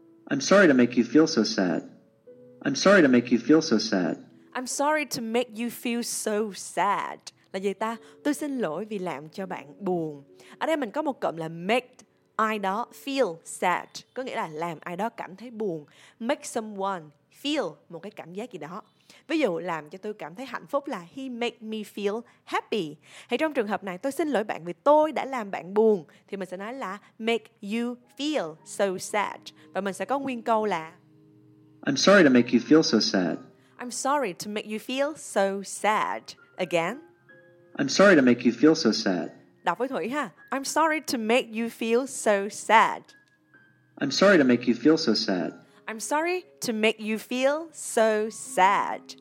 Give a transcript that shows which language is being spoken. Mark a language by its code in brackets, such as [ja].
[en] I'm sorry to make you feel so sad. I'm sorry to make you feel so sad. I'm sorry to make you feel so sad. [vi] Là gì ta? Tôi xin lỗi vì làm cho bạn buồn. Ở đây mình có một cụm là [en] make [vi] ai đó [en] feel sad. [vi] Có nghĩa là làm ai đó cảm thấy buồn. [en] Make someone feel [vi] một cái cảm giác gì đó. Ví dụ làm cho tôi cảm thấy hạnh phúc là [en] he make me feel happy. [vi] Thì trong trường hợp này tôi xin lỗi bạn vì tôi đã làm bạn buồn, thì mình sẽ nói là [en] make you feel so sad. [vi] Và mình sẽ có nguyên câu là [en] I'm sorry to make you feel so sad. I'm sorry to make you feel so sad. Again. I'm sorry to make you feel so sad. [vi] Đọc với Thủy ha. [en] I'm sorry to make you feel so sad. I'm sorry to make you feel so sad. I'm sorry to make you feel so sad.